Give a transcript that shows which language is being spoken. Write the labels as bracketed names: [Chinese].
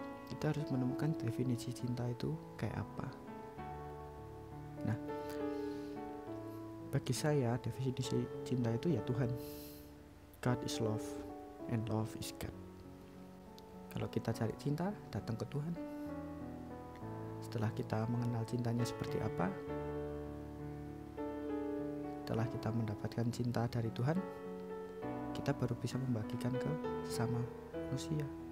[Indonesian] Kita harus menemukan definisi cinta itu kayak apa. Nah, bagi saya definisi cinta itu ya Tuhan. [English] God is love and love is God. [Indonesian] Kalau kita cari cinta, datang ke Tuhan. Setelah kita mengenal cintanya seperti apa, setelah kita mendapatkan cinta dari Tuhan, kita baru bisa membagikan ke sesama manusia.